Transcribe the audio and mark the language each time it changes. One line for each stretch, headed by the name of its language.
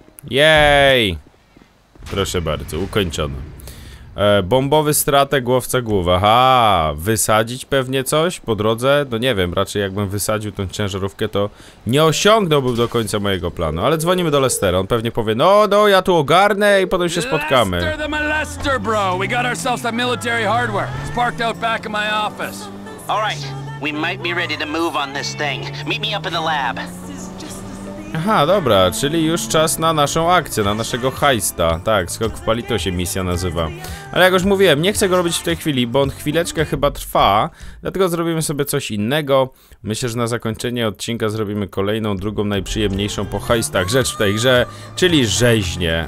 Polish: Jej! Proszę bardzo, ukończono. Bombowy stratek, głowca głów. Aha, wysadzić pewnie coś po drodze? No nie wiem, raczej jakbym wysadził tą ciężarówkę, to nie osiągnąłbym do końca mojego planu. Ale dzwonimy do Lestera, on pewnie powie, no, ja tu ogarnę i potem się spotkamy.
English: Lester, the molester, bro! We got ourselves some military hardware. It's parked out back in my office. All right. We might be ready to move on this thing. Meet me up in the lab.
Polish: Aha, dobra, czyli już czas na naszą akcję, na naszego hajsta. Tak, skok w palito się misja nazywa. Ale jak już mówiłem, nie chcę go robić w tej chwili, bo on chwileczkę chyba trwa. Dlatego zrobimy sobie coś innego. Myślę, że na zakończenie odcinka zrobimy kolejną, drugą, najprzyjemniejszą po hajstach rzecz w tej grze, czyli rzeźnię.